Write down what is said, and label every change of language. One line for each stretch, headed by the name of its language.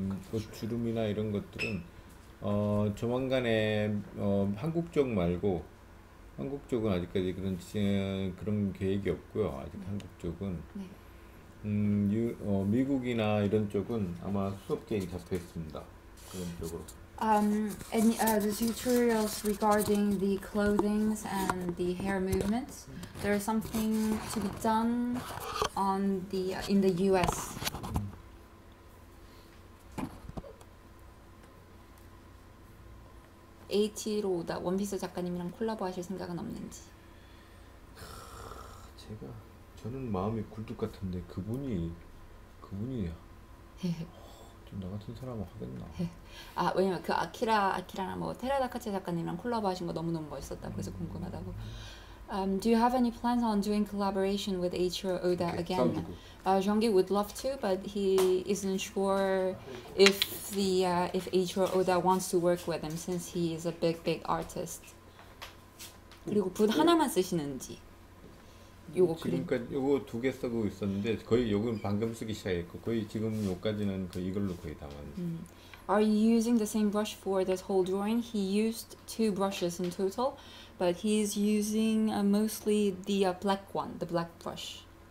Korean: 그 주름이나 이런 것들은 조만간에 한국 쪽 말고 한국 쪽은 아직까지 그런 계획이 없고요. 아직 한국 쪽은. 네. 미국이나 이런 쪽은 아마 수업 계획이 잡혀 있습니다. 그런 쪽으로.
English: Any the tutorials regarding the clothing and the hair movements. There is something to be done on the in the US.
Korean: 80로 오다 원피스 작가님이랑 콜라보 하실 생각은 없는지. 제가 저는 마음이 굴뚝 같은데 그분이야. 좀 나 같은 사람은 하겠나. 아 왜냐면 그 아키라랑 뭐 테라다카체 작가님이랑 콜라보 하신 거 너무 멋있었다고 해서 궁금하다고.
English: Do you have any plans on doing collaboration with Eiichiro Oda again? Jeongi would love to, but he isn't sure if the if Eiichiro Oda wants to work with him since he is a big artist.
Korean: 그리고 붓 하나만 쓰시는지. 요거 지금까지 요거 두 개 쓰고 있었는데 거의 요건 방금 쓰기 시작했고 거의 지금 요까지는 거의 이걸로 거의 다 왔는데.
English: Are you using the same brush for this whole drawing? He used two brushes in total, but he is using mostly the black one, the black brush.